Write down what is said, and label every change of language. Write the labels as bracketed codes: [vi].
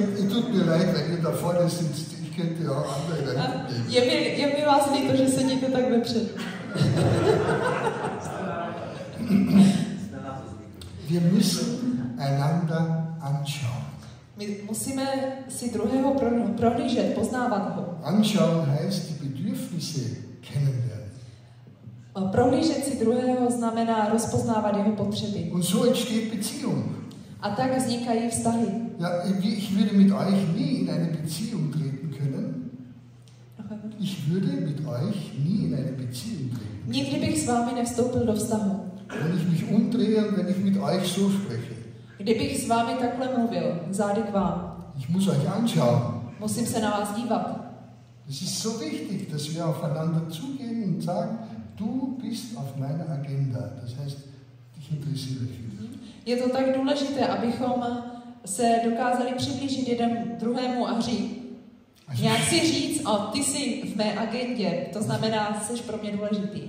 [de] Tut mir leid, wenn ihr da vorne sitzt. Ich könnte ja auch andere Leute nehmen. [cs] Je mi vás líto, že sedíte tak vepřed. [de] Wir müssen einander anschauen. [cs] My musíme si druhého prohlížet, poznávat ho. [de] Anschauen heißt die Bedürfnisse kennenlernen. [cs] Prohlížet si druhého znamená rozpoznávat jeho potřeby. [de] Und so entsteht Beziehung. [cs] A tak vznikají vztahy. [de] Ja, ich würde mit euch nie in eine Beziehung treten können. Ich würde mit euch nie in eine Beziehung treten können. [cs] Nikdy bych s vámi nevstoupil do vztahu. [de] Wenn ich mich umdrehe und wenn ich mit euch so spreche. [cs] Kdybych s vámi takhle mluvil, zády k vám. [de] Ich muss euch anschauen. [cs] Musím se na vás dívat. [de] Es ist so wichtig, dass wir aufeinander zugehen und sagen, du bist auf meiner Agenda. Das heißt, dich interessiere ich. [cs] Je to tak důležité, abychom se dokázali přiblížit jeden druhému a říct. Já chci říct, o, ty jsi v mé agendě, to znamená, jsi pro mě důležitý.